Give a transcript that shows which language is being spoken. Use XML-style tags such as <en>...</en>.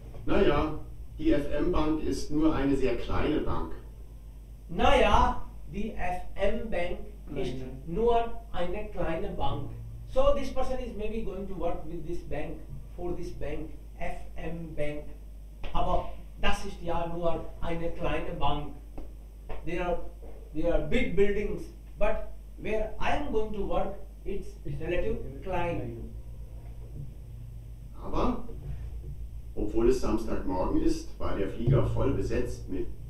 <de>Naja, die FM Bank ist nur eine sehr kleine Bank. Naja, die FM Bank ist nur eine kleine Bank.</de> <en>So this person is maybe going to work with this bank, for this bank, FM Bank.</en> <de>Aber das ist ja nur eine kleine Bank.</de> <en>There are big buildings, but where I am going to work, it's</en> <de>relative klein. Aber obwohl es Samstagmorgen ist, war der Flieger voll besetzt mit.</de>